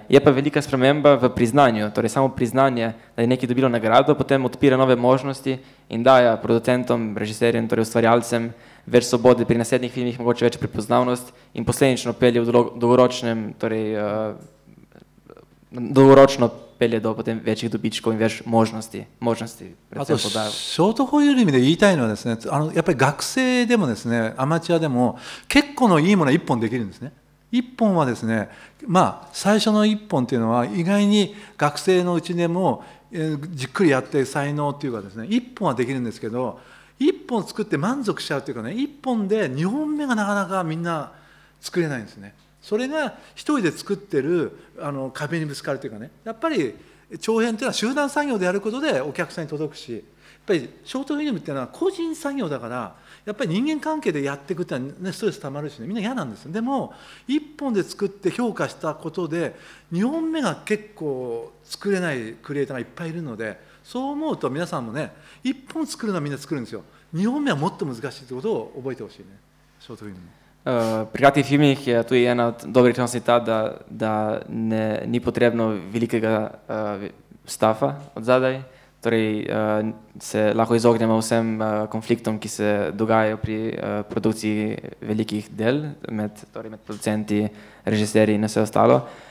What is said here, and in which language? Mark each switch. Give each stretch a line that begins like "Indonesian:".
Slovenian: Je pa velika sprememba v priznanju, torej samo priznanje, da je nekaj dobilo nagrado, potem odpira nove možnosti in daje producentom, režiserjem, torej ustvarjalcem več svobode pri naslednjih filmih, mogoče več prepoznavnost in posledično pelje v dolgoročnem, torej dolgoročno pelje do potem večjih dobičkov in več možnosti.
Japanese: A to ショートホイール意味で言いたいのはですね、あのやっぱり学生でもですね、アマチュアでも結構のいいものは1本できるんですね。 1本はですね、まあ最初の1本っていうのは意外に学生のうちでも、じっくりやって才能っていうかですね、1本はできるんですけど、1本作って満足しちゃうというかね、1本で2本目がなかなかみんな作れないんですね。それが一人で作ってるあの壁にぶつかるというかね、やっぱり長編というのは集団作業でやることでお客さんに届くし、やっぱりショートフィルムというのは個人作業だから、やっぱり人間関係でやっていくというのは、ね、ストレスたまるし、ね、みんな嫌なんですよ。でも一本で作って評価したことで二本目が結構作れないクリエイターがいっぱいいるので、そう思うと皆さんもね、一本作るのはみんな作るんですよ、二本目はもっと難しいということを覚えてほしいね、ショートフィルム。
Slovenian: Pri kratkih filmih je tudi ena od dobrih možnosti ta, da, da ne, ni potrebno velikega stafa od zadaj, torej se lahko izognemo vsem konfliktom, ki se dogajajo pri produkciji velikih del med, torej med producenti, režiserji in vse ostalo.